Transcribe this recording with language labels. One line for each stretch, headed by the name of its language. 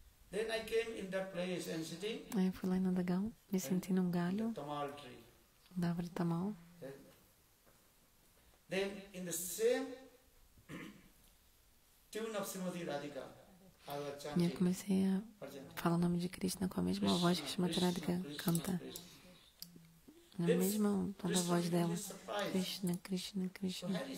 English: Then I came in that place and sitting.
Portuguese: Aí eu fui lá em Nandagão, me senti num galho da árvore de tamal.
English: Then in the same tune of Srimati Radhika, I was chanting.
Portuguese: E eu comecei a falar o nome de Krishna com a mesma Krishna, voz que Srimati Radhika canta. Krishna. Na mesma tom da voz dela. Krishna, Krishna, Krishna.